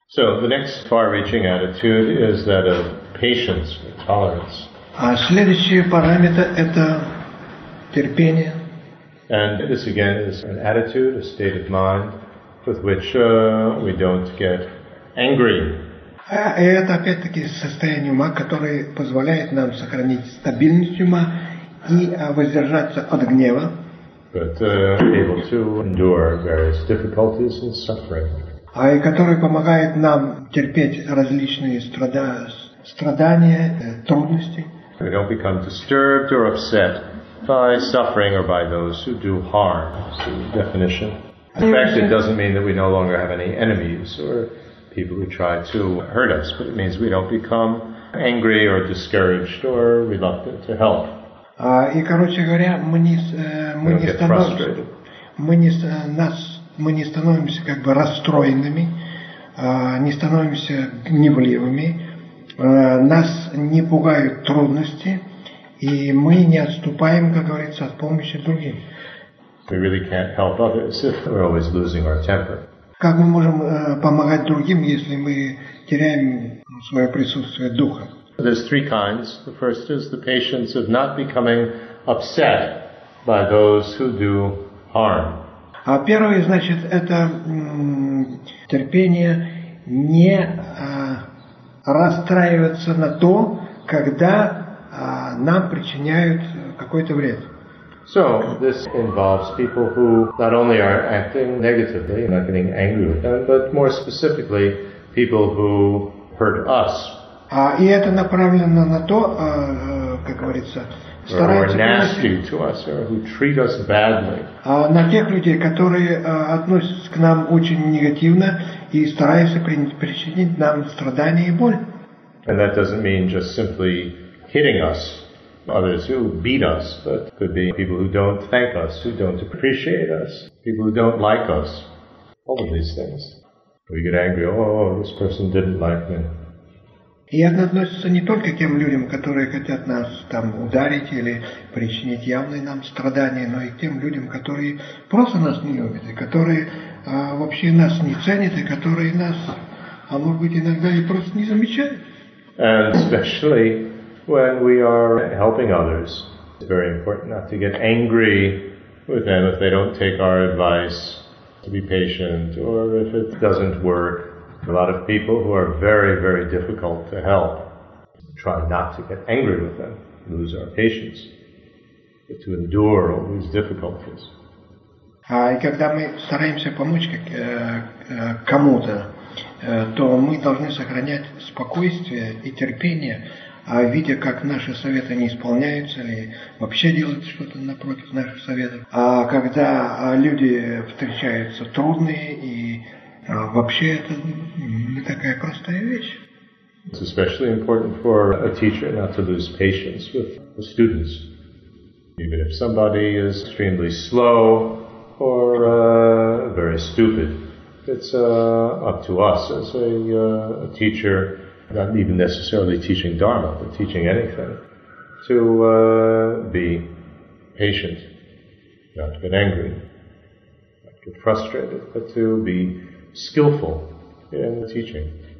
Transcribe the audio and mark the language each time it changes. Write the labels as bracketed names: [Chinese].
[English] So the next far-reaching attitude is that of patience, tolerance. [Russian] А следующий параметр – это терпение. [English] And this again is an attitude, a state of mind, with which we don't get angry. [Russian] И это опять-таки состояние ума, которое позволяет нам сохранить стабильность ума и воздержаться от гнева. [English] But able to endure various difficulties and suffering. [Russian] А и который помогает нам терпеть различные страдания, трудности. [English] We don't become disturbed or upset by suffering or by those who do harm. That's the definition. In fact, it doesn't mean that we no longer have any enemies or people who try to hurt us, but it means we don't become angry or discouraged or reluctant to help. [Russian] И, короче говоря, мы не становимся как бы расстроенными, не становимся гневливыми, нас не пугают трудности, и мы не отступаем, как говорится, от помощи другим. [English] We really can't help others if we're always losing our temper. [Russian] Как мы можем помогать другим, если мы теряем свое присутствие духа? [English] There's three kinds. The first is the patience of not becoming upset by those who do harm. [Russian] А первое, значит, это терпение не расстраиваться на то, когда нам причиняют какой-то вред. [English] So this involves people who not only are acting negatively, not getting angry with them, but more specifically, people who hurt us. [Russian] И это направлено на то, как говорится, на тех людей, которые относятся к нам очень негативно и стараются причинить нам страдания и боль. [English] And that doesn't mean just simply hitting us. Others who beat us, but could be people who don't thank us, who don't appreciate us, people who don't like us. All of these things. We get angry, oh, this person didn't like me. [Russian] И это относится не только к тем людям, которые хотят нас там ударить или причинить явные нам страдания, но и к тем людям, которые просто нас не любят, и которые вообще нас не ценят, и которые нас, а может быть, иногда и просто не замечают. [English] And especially when we are helping others, it's very important not to get angry with them if they don't take our advice to be patient or if it doesn't work. A lot of people who are very, very difficult to help, try not to get angry with them, lose our patience, but to endure all these difficulties. [Russian] И когда мы стараемся помочь кому-то, то мы должны сохранять спокойствие и терпение, видя, как наши советы не исполняются или вообще делают что-то напротив наших советов. А когда люди встречаются трудные и вообще это не такая простая вещь. [English] It's especially important for a teacher not to lose patience with the students. Even if somebody is extremely slow or very stupid, it's up to us as a teacher, not even necessarily teaching Dharma, but teaching anything, to be patient, not to get angry, not to get frustrated, but to be skillful in teaching.